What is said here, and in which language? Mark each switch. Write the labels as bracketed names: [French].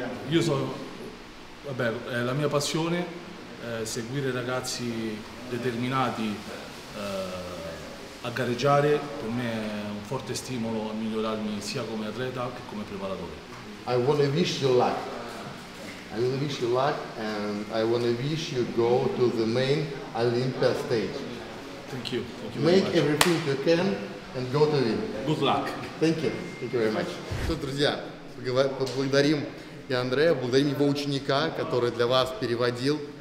[Italian] Io so, vabbè, è la mia passione seguire ragazzi determinati a gareggiare. Per me forte stimolo a migliorarmi sia come atleta che come preparatore. [English] I want to wish you luck. I want to wish you luck and I want to wish you go to the main Olympia stage. Thank you. Thank you. Make everything you can and go to win. Good luck. Thank you. Thank you very much. [Russian] Что, друзья, поблагодарим и Андрея, благодарим его ученика, который для вас переводил.